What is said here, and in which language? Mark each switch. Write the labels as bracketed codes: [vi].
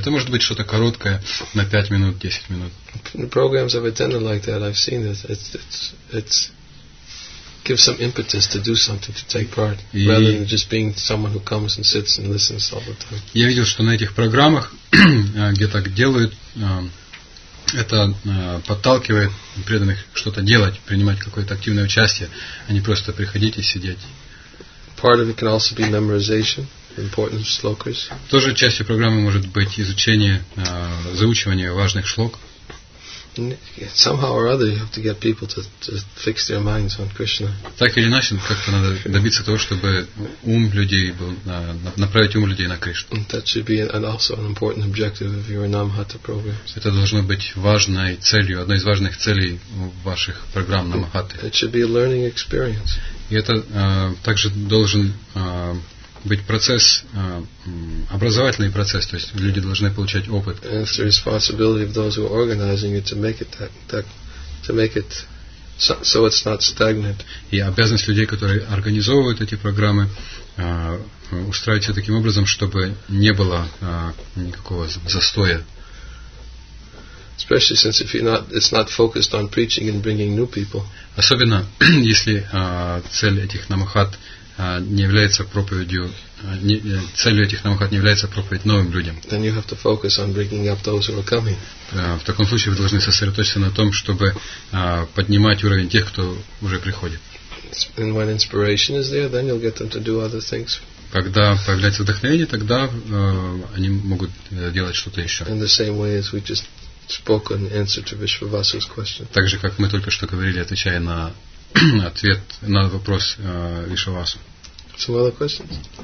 [ru] Это может быть что-то короткое на 5 минут, 10 минут. [en] The programs I've attended like that, I've seen it. It's give some impetus to do something, to take part, rather than just being someone who comes and sits and listens all the time. [ru] Я видел, что на этих программах, где так делают, это подталкивает преданных что-то делать, принимать какое-то активное участие, а не просто приходить и сидеть. [en] Part of it can also be memorization, important shlokas. [ru] Тоже частью программы может быть изучение, заучивание важных шлок. [en] Somehow or other, you have to get people to fix their minds on Krishna. [ru] Так или иначе, как-то надо добиться того, чтобы ум людей был направить ум людей на Кришну. [en] That should be also an important objective of your Namahata program. [ru] Это должно быть важной целью, одной из важных целей ваших программ Намахаты. [en] It should be a learning experience. [ru] И это также должен быть процесс, образовательный процесс, то есть люди должны получать опыт. [en] And it's the responsibility of those who are organizing it to make it that to make it so it's not stagnant. [ru] И обязанность людей, которые организовывают эти программы, устраивать все таким образом, чтобы не было никакого застоя. [en] Especially since if you're not, it's not focused on preaching and bringing new people. [ru] Особенно если цель этих намахат не является проповедью, целью этих намахат не является проповедь новым людям. [en] Then you have to focus on bringing up those who are coming. [ru] В таком случае вы должны сосредоточиться на том, чтобы поднимать уровень тех, кто уже приходит. [en] And when inspiration is there, then you'll get them to do other things. [ru] Когда появляется вдохновение, тогда они могут делать что-то еще. [en] In the same way as we just spoke in answer to Vishwavasu's question. [ru] Так же, как мы только что говорили, отвечая на ответ на вопрос Вишвавасу. [en] Some other questions?